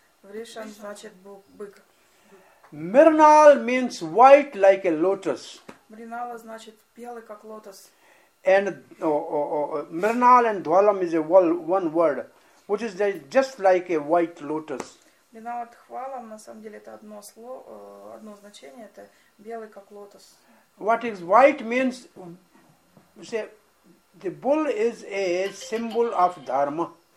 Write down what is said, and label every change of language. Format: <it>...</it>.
<ru>Vrisham значит бык.</ru> <en>Mrinal means white like a lotus.</en> <ru>Mrinala значит белый как лотос.</ru> <en>And mrinal and dvalam is a one word, which is just like a white lotus.</en> <ru>Mrinal and dvalam на самом деле это одно слово, одно значение, это белый как лотос.</ru> <en>What is white means, you say, the bull is a symbol of dharma.</en>